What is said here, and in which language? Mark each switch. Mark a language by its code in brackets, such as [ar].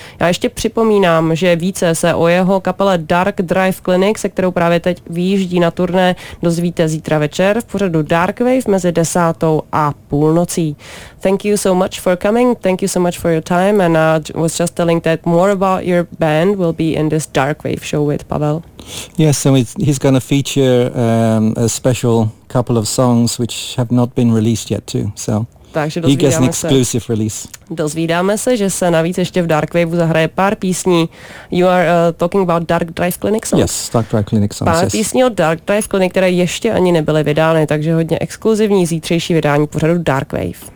[cs] Já ještě připomínám, že více se o jeho kapele Dark Drive Clinic, se kterou právě teď vyjíždí na turné, dozvíte zítra večer v pořadu Dark Wave mezi 10:30. [en] Thank you so much for coming. Thank you so much for your time. And I was just telling that more about your band will be in this Dark Wave show with Pavel. Yes, and he's going to feature a special couple of songs which have not been released yet too. So he gets an exclusive release. [cs] Dozvídáme se, že se navíc ještě v Dark Wave zahraje pár písní. [en] You are talking about Dark Drive Clinic songs? Yes, Dark Drive Clinic songs. [cs] Pár písní od Dark Drive Clinic, které ještě ani nebyly vydány, takže hodně exkluzivní zítřejší vydání pořadu Dark Wave.